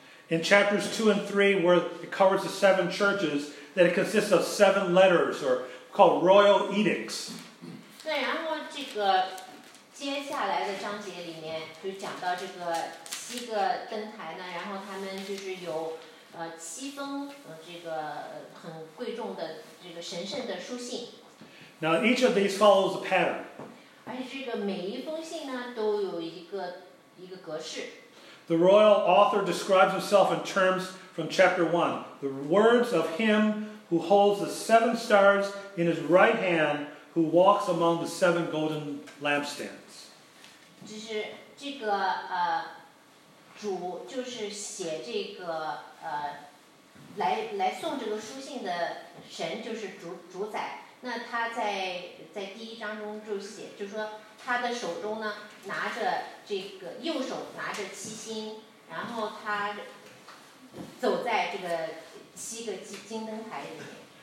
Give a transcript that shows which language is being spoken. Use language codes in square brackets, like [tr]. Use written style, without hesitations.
[en] In chapters 2 and 3, where it covers the seven churches, that it consists of seven letters, or called royal edicts. [zh] 对，然后这个接下来的章节里面就讲到这个七个灯台呢，然后他们就是有七封这个很贵重的这个神圣的书信。 [en] Now each of these follows a pattern. [zh] 而且这个每一封信呢都有一个格式。 [en] The royal author describes himself in terms from chapter 1. The words of him who holds the seven stars in his right hand who walks among the seven golden lampstands. [zh] 就是这个主就是写这个来送这个书信的神就是主宰。那他在第一章中就写，就说他的手中呢拿着这个右手拿着七星，然后他走在这个七个金灯台里面。